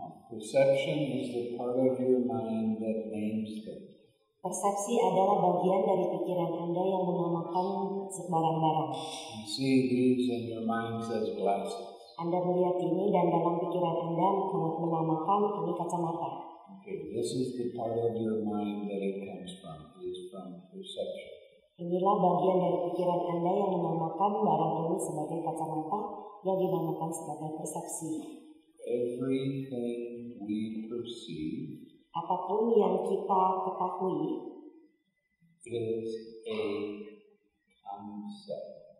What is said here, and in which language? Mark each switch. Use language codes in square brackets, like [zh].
[en] Perception is the part of your mind that names things. [id] Persepsi adalah bagian dari pikiran Anda yang menamakan barang-barang. [en] You see these in your mind as glasses. [id] Anda melihat ini dan dalam pikiran Anda menamakan ini kacamata. [en] Okay, this is the part of your mind that it comes from. It is from perception. [id] Inilah bagian dari pikiran Anda yang menamakan barang ini sebagai kacamata yang dinamakan sebagai persepsi. [en] Everything we perceive, [id] apapun yang kita ketahui, [en] is a concept.